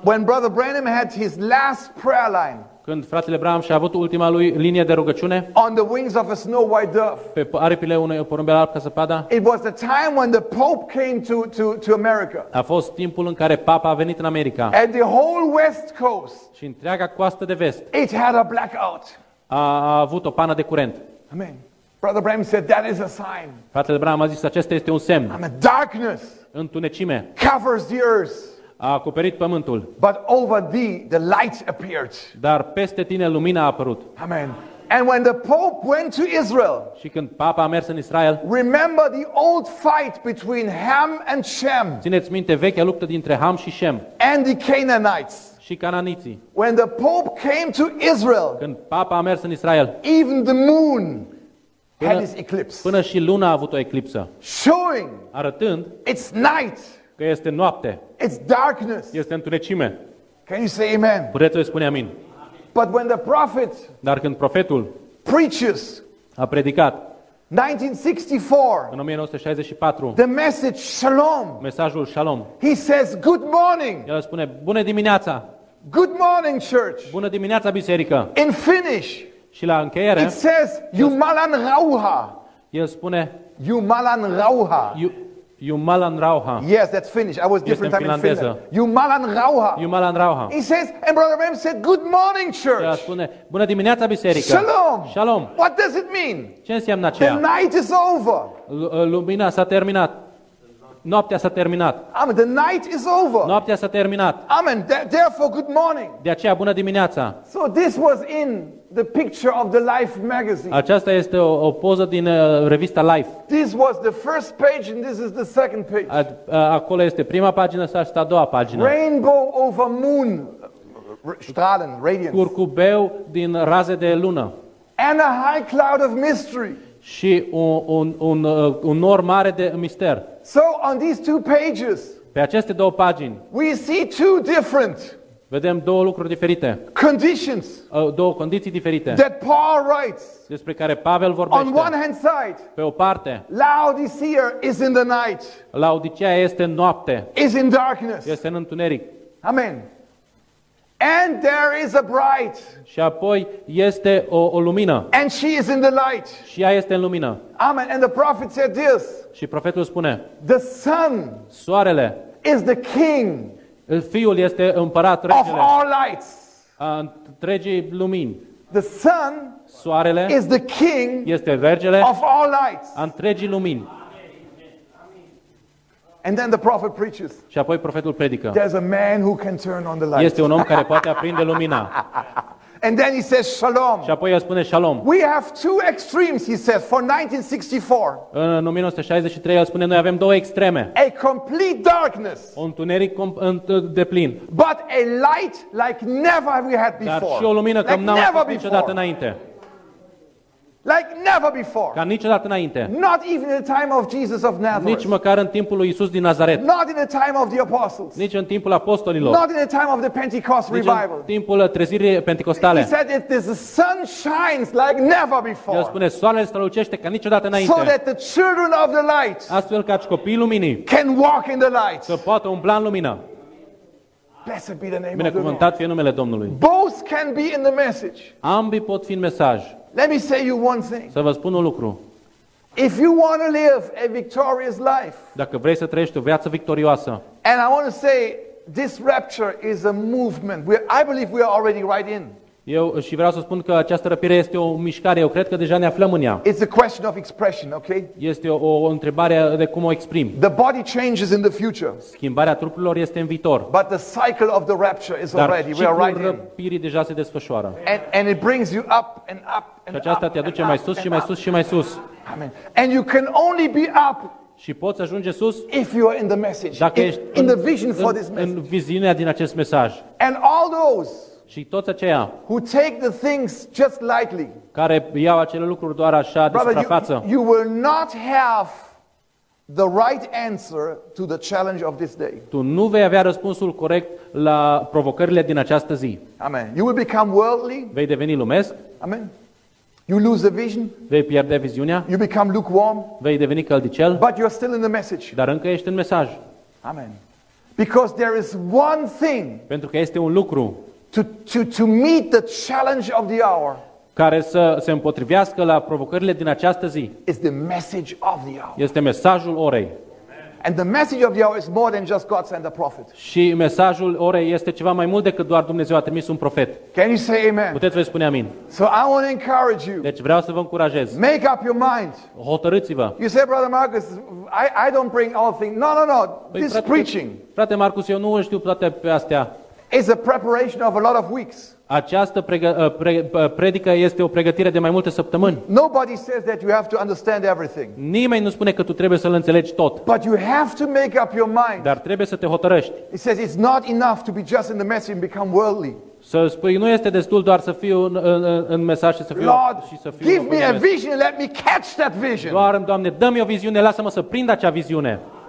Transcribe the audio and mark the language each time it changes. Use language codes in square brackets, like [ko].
[en] When Brother Branham had his last prayer line. [ro] Când fratele Branham și-a avut ultima lui linie de rugăciune. [en] On the wings of a snow white dove. [ro] Pe aripile unei porumbele albe ca zăpada. [en] It was the time when the Pope came to America. [ro] A fost timpul în care Papa a venit în America. [en] And the whole West Coast. [ro] Și întreaga coastă de vest. [en] It had a blackout. [ro] A avut o pană de curent. [en] Amen. Brother Bram said that is a sign. [ro] Fratele Bram a zis acesta este un semn. [en] And the darkness. [ro] Întunecime. [en] Covers the earth. [ro] A acoperit pământul. [en] But over thee the light appeared. [ro] Dar peste tine lumina a apărut. [en] Amen. And when the Pope went to Israel. [ro] Și când Papa a mers în Israel. [en] Remember the old fight between Ham and Shem. [ro] Țineți minte vechea luptă dintre Ham și Shem. [en] And the Canaanites. [ro] Și cananiții. [en] When the Pope came to Israel. [ro] Când Papa a mers în Israel. [en] Even the moon had its eclipse. [ro] Până și luna a avut o eclipsă. [en] Showing. [ro] Arătând. [en] It's night. [ro] Că este noapte. [en] It's darkness. [ro] Este întunecime. [en] Can you say amen? [ro] Puteți să spuneți amin. [en] But when the prophet, [ro] dar când profetul [en] preaches, [ro] a predicat, [en] 1964, [ro] în 1964, [en] the message shalom, [ro] mesajul shalom, [en] he says good morning, [ro] el spune bună dimineața, [en] good morning church, [ro] bună dimineața biserică, [en] in Finnish, [ro] și la încheiere, [en] it says [fi] jumalan rauha, [ro] el spune [fi] jumalan rauha, jumalan rauha, [en] yes that's Finnish, I was different time [ro] finlandeză. [en] In Finland, [fi] jumalan rauha, jumalan rauha, [en] he says, and brother Bram said good morning church, [ro] el spune bună dimineața biserică, [he] shalom, shalom, [en] what does it mean, [ro] ce înseamnă aceea, [en] the night is over, [ro] lumina s-a terminat. Noaptea s-a terminat. [en] Amen. The night is over. [ro] Noaptea s-a terminat. [en] Amen. Therefore, good morning. [ro] De aceea, bună dimineața. [en] So this was in the picture of the Life magazine. [ro] Aceasta este o poză din revista Life. [en] This was the first page and this is the second page. [ro] Acolo este prima pagină, asta este a doua pagină. [en] Rainbow over moon, strahlen, radiance. [ro] Curcubeu din raze de lună. [en] And a high cloud of mystery. [ro] Și un nor mare de mister. [en] So on these two pages, [ro] pe aceste două pagini, [en] we see two different, [ro] vedem două lucruri diferite, [en] conditions, [ro] două condiții diferite, [en] that Paul writes, [ro] despre care Pavel vorbește. [en] On one hand side, [ro] pe o parte, [en] Laodicea is in the night, [ro] Laodicea este în noapte, [en] is in darkness, [ro] este în întuneric. [en] Amen. And there is a bride. [ro] Și apoi este o lumină. [en] And she is in the light. [ro] Și ea este în lumină. [en] Amen. And the prophet said this. [ro] Și profetul spune. [en] The sun. [ro] Soarele. [en] Is the king. [ro] Fiul este împărat, regele. [en] Of all lights. [ro] A întregii lumini. [en] The sun. [ro] Soarele. [en] Is the king. [ro] Este regele. [en] Of all lights. [ro] A întregii lumini. [en] And then the prophet preaches. [ro] Și apoi profetul predică. [en] There's a man who can turn on the light. [ro] Este un om care poate aprinde lumina. [en] And then he says shalom. [ro] Și apoi el spune shalom. [en] We have two extremes, he says, for 1964. [ro] În 1963 el spune noi avem două extreme. [en] A complete darkness. [ro] O întuneric deplin. [en] But a light like never we had before. [ro] Dar și o lumină cum n-am avut niciodată înainte. [en] Like never before. [ro] Ca niciodată înainte. [en] Not even in the time of Jesus of Nazareth. [ro] Nici măcar în timpul lui Iisus din Nazaret. [en] Not in the time of the apostles. [ro] Nici în timpul apostolilor. [en] Not in the time of the Pentecost revival. [ro] Nici în timpul trezirii pentecostale. [en] He said that the sun shines like never before. [ro] El spune soarele strălucește ca niciodată înainte. [en] So that the children of the light. [ro] Astfel ca copiii luminii. [en] Can walk in the light. [ro] Să poată umbla în lumină. [en] Blessed be the name of the Lord. [ro] Binecuvântat fie numele Domnului. [en] Both can be in the message. [ro] Ambii pot fi în mesaj. [en] Let me say you one thing. [ro] Să vă spun un lucru. [en] If you want to live a victorious life. [ro] Dacă vrei să trăiești o viață victorioasă. [en] And I want to say this rapture is a movement. I believe we are already right in. [ro] Eu și vreau să spun că această răpire este o mișcare. Eu cred că deja ne aflăm în ea. [en] It's a question of expression, okay? [ro] Este o întrebare de cum o exprim. [en] The body changes in the future. [ro] Schimbarea trupurilor este în viitor. [en] But the cycle of the rapture is already. We are right in. [ro] Dar ciclul răpirii deja se desfășoară. [en] And it brings you up and up and up. [ro] Și aceasta te aduce mai sus și mai sus și mai sus. [en] Amen. And you can only be up. [ro] Și poți ajunge sus [en] if you are in the message. [ro] Dacă ești [en] in the vision for this message. [ro] În viziunea din acest mesaj. [en] And all those. [ro] Și toți aceia [en] who take the things just lightly, [ro] care iau acele lucruri doar așa de suprafață. [en] You will not have the right answer to the challenge of this day. [ro] Tu nu vei avea răspunsul corect la provocările din această zi. [en] Amen. You will become worldly. [ro] Vei deveni lumesc. [en] Amen. You lose the vision. [ro] Vei pierde viziunea. [en] You become lukewarm. [ro] Vei deveni căldicel. [en] But you are still in the message. [ro] Dar încă ești în mesaj. [en] Amen. Because there is one thing. [ro] Pentru că este un lucru. [en] To meet the challenge of the hour. [ro] Care să se împotrivească la provocările din această zi. [en] Is the message of the hour. [ro] Este mesajul orei. [en] And the message of Yahweh is more than just God sent a prophet. [ro] Și mesajul orei este ceva mai mult decât doar Dumnezeu a trimis un profet. [en] Can you say amen? [ro] Puteți voi spune amin? [en] So I want to encourage you. [ro] Deci vreau să vă încurajez. [en] Make up your mind. [ro] Hotărâți-vă. [en] You say, Brother Marcus, I don't bring all things. No. This preaching. [ro] Frate Marcus, eu nu știu toate pe astea. [en] It's a preparation of a lot of weeks. [ro] Această predică este o pregătire de mai multe săptămâni. [en] Nobody says that you have to understand everything. [ro] Nimeni nu spune că tu trebuie să îl înțelegi tot. [en] But you have to make up your mind. [ro] Dar trebuie să te hotărăști. [en] It says it's not enough to be just in the message and become worldly. [ro] Să spui, nu este destul doar să fiu în mesaj și să fiu [en] Lord, [ro] și să fiu. [en] Give me a vision, let me catch that vision. [ro] Doamne, Doamne, dă-mi o viziune, lasă-mă să prind acea viziune.